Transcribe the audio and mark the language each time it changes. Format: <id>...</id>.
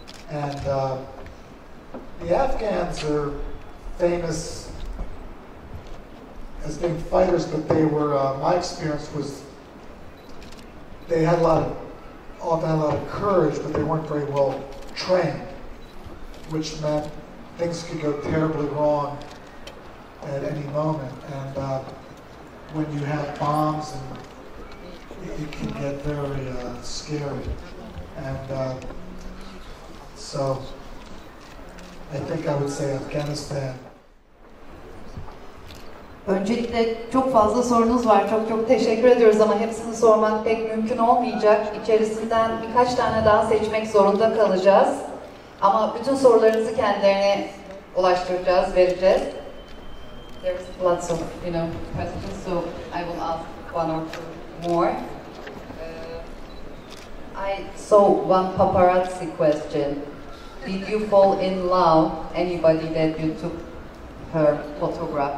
<en>And the Afghans are famous as being fighters, but they were, my experience was, they had a lot of courage, but they weren't very well trained, which meant things could go terribly wrong at any moment. And when you have bombs, and it can get very scary. And so I think I would say Afghanistan.</en> <tr>Öncelikle çok fazla sorunuz var. Çok çok teşekkür ediyoruz ama hepsini sormak pek mümkün olmayacak. İçerisinden birkaç tane daha seçmek zorunda kalacağız. Ama bütün sorularınızı kendilerine ulaştıracağız, vereceğiz.</tr> <en>There's lots of, you know, questions, so I will ask one or two more. I saw one paparazzi question. Did you fall in love anybody that you took her photograph?</en>